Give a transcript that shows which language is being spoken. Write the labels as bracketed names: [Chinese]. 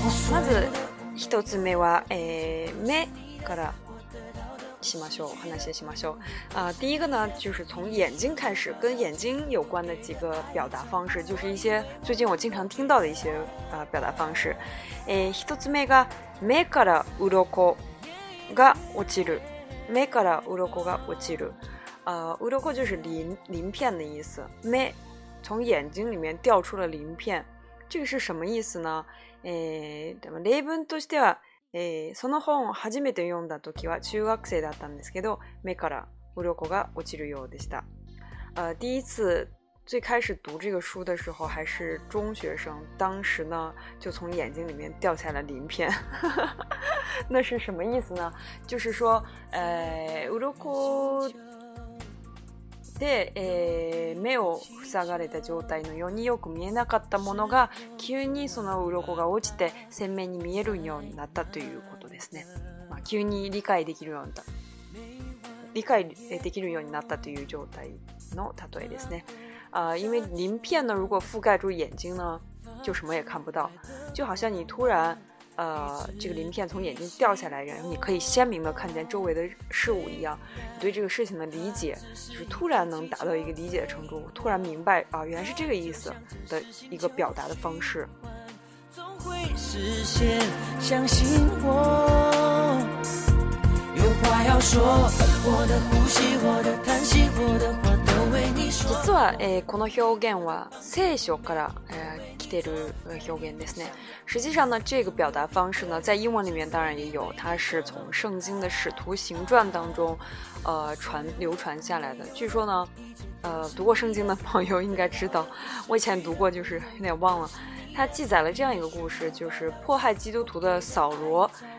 [Japanese] まず一つ目は、目からしましょう，話しましょう。 [Chinese] 第一个呢就是从眼睛开始，跟眼睛有关的几个表达方式，就是一些最近我经常听到的一些、表达方式。 [Japanese] 一つ目が目から鱗が落ちる。目から鱗が落ちる。鱗 [Chinese] 就是鳞片的意思。目从眼睛里面掉出了鳞片。这个是什么意思呢？ [Japanese] でも例文としては。その本を初めて読んだ時は中学生だったんですけど、目から鱗が落ちるようでした。 [Chinese] 第一次最开始读这个书的时候还是中学生，当时呢就从眼睛里面掉下了鳞片。那是什么意思呢？ [Japanese] 就是说，鱗で、目を塞がれた状態のようによく見えなかったものが急にその鱗が落ちて鮮明に見えるようになったということですね、まあ、急に理解できるようになった理解できるようになったという状態の例えですね。 [Chinese] 因为鳞片呢如果覆盖住眼睛呢就什么也看不到，就好像你突然这个鳞片从眼睛掉下来，然后你可以鲜明的看见周围的事物一样，你对这个事情的理解就是突然能达到一个理解的程度，突然明白啊、原来是这个意思的一个表达的方式。总会实现，相信我，有话要说，我的呼吸，我的叹息，我的话都为你说。 [Japanese] 実は、この表現は聖書から、表現ですね。 [Chinese] 实际上呢这个表达方式呢在英文里面当然也有，它是从圣经的使徒行传当中流传下来的。据说呢读过圣经的朋友应该知道，我以前读过就是有点忘了，它记载了这样一个故事，就是迫害基督徒的扫罗